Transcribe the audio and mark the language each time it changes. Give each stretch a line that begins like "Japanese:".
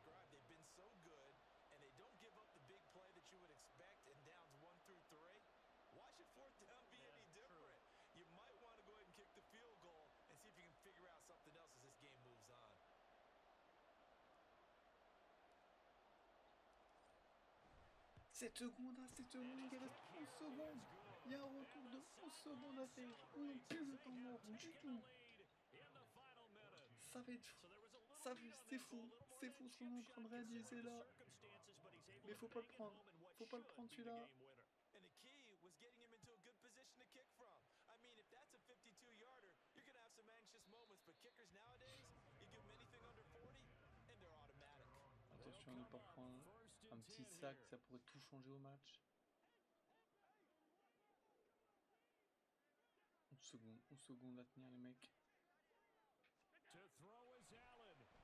English: They've been so good and they don't give up the big play that you would expect in downs 1 through 3. Why should fourth down be any different? You might want to go ahead and kick the field goal and see if you can figure out something else as this game moves on.
French: Cette seconde, hein, cette seconde, il reste 11 secondes. Il y a un retour de 11 secondes à faire. On n'a plus le temps mort du tout. Ça va être fou. Ça va être... C'est fou. C'est fou ce qu'on est en train de réaliser là. Mais faut pas le prendre. Faut pas le prendre celui-là.
English: Was getting him into a good position to kick from. I mean, if that's a 52 yarder, you're gonna have some anxious moments, but kickers nowadays, you give them anything under 40 and they're automatic.
French: Attention à ne pas prendre un petit sac, ça pourrait tout changer au match. 11 secondes, 11 secondes à tenir les mecs.
English: To throw is Allen.